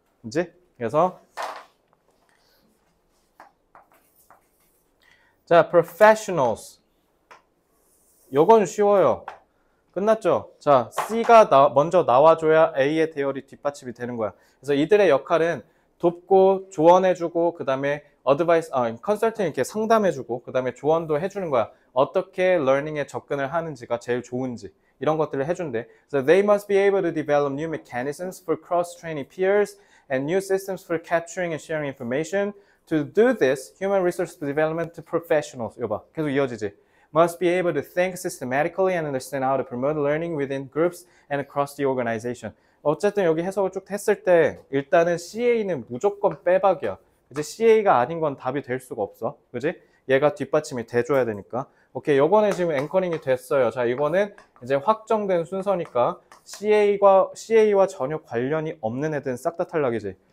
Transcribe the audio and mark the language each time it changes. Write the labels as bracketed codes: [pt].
[ko] 이제 그래서 자, professionals. 요건 쉬워요. 끝났죠? 자, C가 먼저 나와줘야 A의 대열이 뒷받침이 되는 거야. 그래서 이들의 역할은 돕고 조언해주고, 그 다음에 컨설팅 이렇게 상담해주고, 그 다음에 조언도 해주는 거야. 어떻게 러닝에 접근을 하는지가 제일 좋은지. 이런 것들을 해준대. [en] So they must be able to develop new mechanisms for cross-training peers and new systems for capturing and sharing information. To do this, human resource development professionals. [ko] 이거 봐. 계속 이어지지. [en] Must be able to think systematically and understand how to promote learning within groups and across the organization. [ko] 어쨌든 여기 해석을 쭉 했을 때 일단은 CA는 무조건 빼박이야. 이제 CA가 아닌 건 답이 될 수가 없어. 그지? 얘가 뒷받침이 돼줘야 되니까. 오케이, 요거는 지금 앵커링이 됐어요. 자, 이거는 이제 확정된 순서니까 CA와 전혀 관련이 없는 애들은 싹다 탈락이지.